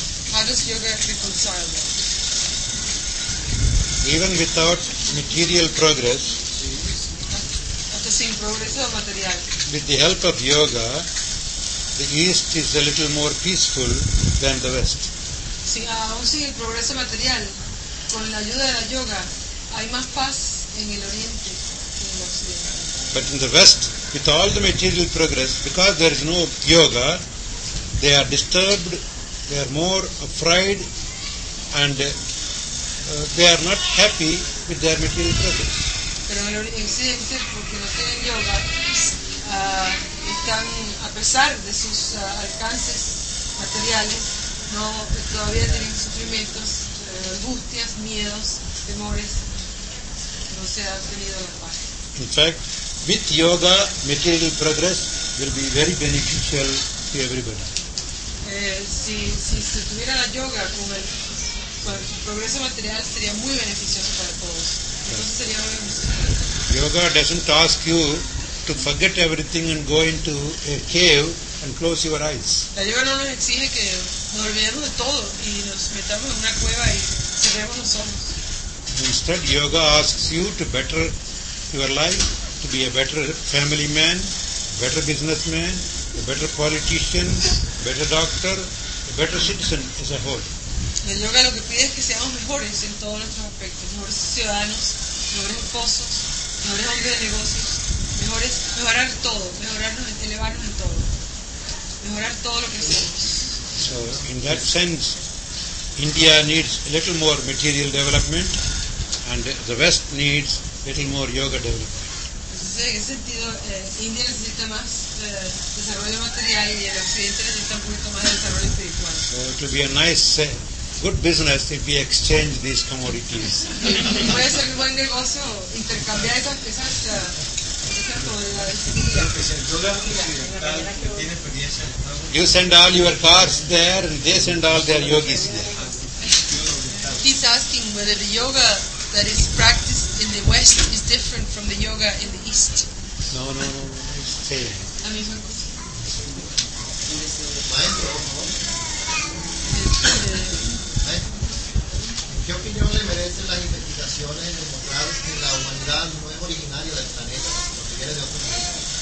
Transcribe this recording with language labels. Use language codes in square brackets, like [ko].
[en] How does yoga reconcile that? Even without material progress, with the help of yoga, the East is a little more peaceful than the West. [es] Sí, aún sin el progreso material, con la ayuda de la yoga, hay más paz en el Oriente que en el Occidente. [en] But in the West, with all the material progress, because there is no yoga, they are disturbed, they are more afraid, and they are not happy with their material progress. [es] Pero en el Occidente, porque no tienen yoga, están, a pesar de sus alcances materiales, no, todavía tienen sufrimientos, angustias, miedos, temores, no se ha tenido la paz. [en] In fact, with yoga, material progress will be very beneficial to everybody. [es] Si tuviera la yoga, con el progreso material sería muy beneficioso para todos. [en] Yoga doesn't ask you to forget everything and go into a cave and close your eyes. [es] La yoga no nos exige que nos olvidemos de todo y nos metamos en una cueva y cerremos los ojos. [en] Instead, yoga asks you to better your life, to be a better family man, better businessman, a better politician, better doctor, a better citizen as a whole. [es] El yoga lo que pide es que seamos mejores en todos nuestros aspectos, mejores ciudadanos, mejores esposos, mejores hombres de negocios, mejores, mejorar todo, mejorarnos, elevarnos en todo, mejorar todo lo que hacemos. [en] So, in that sense, India needs a little more material development, and the West needs a little more yoga development. [es] En ese sentido, India necesita más desarrollo material y el occidente necesita un poquito más de desarrollo espiritual. [en] So it will be a nice, good business if we exchange these commodities. [es] Puede ser un buen negocio intercambiar esas comodidades. El yoga occidental tiene experiencia en Estados Unidos. [en] You send all your cars there and they send all their yogis there. He's asking whether the yoga that is practiced in the West is different from the yoga in the East. No, it's the same. [es] Maestro, ¿qué opinión le merecen las investigaciones demostradas que la humanidad no es originaria del planeta, sino que viene de otro planeta?